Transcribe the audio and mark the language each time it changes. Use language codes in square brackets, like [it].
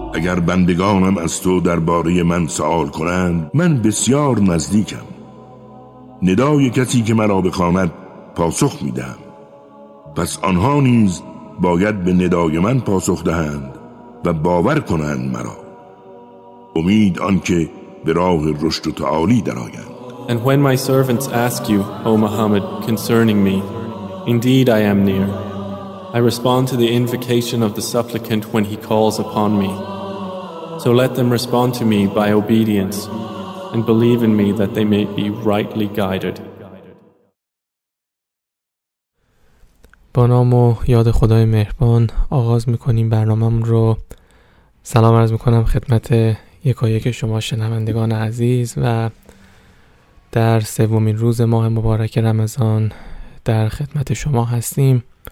[fa] اگر بندگانم از تو درباره من سوال کنند، من بسیار نزدیکم. ندای کسی که مرا بخواند پاسخ میدم، پس آنها نیز باید به ندای من پاسخ دهند و باور کنند مرا، امید آن که به راه رشد و تعالی درآیند. [en] And when my servants ask you, O Muhammad, concerning me, indeed I am near. I respond to the invocation of the supplicant when he calls upon me. So let them respond to me by obedience and believe in me that they may be rightly guided. [fa] با نام و یاد خدای مهربان آغاز میکنیم برنامه‌مون رو. سلام عرض میکنم خدمت یکایک شما شنوندگان عزیز و در سومین روز ماه مبارک رمضان در خدمت شما هستیم.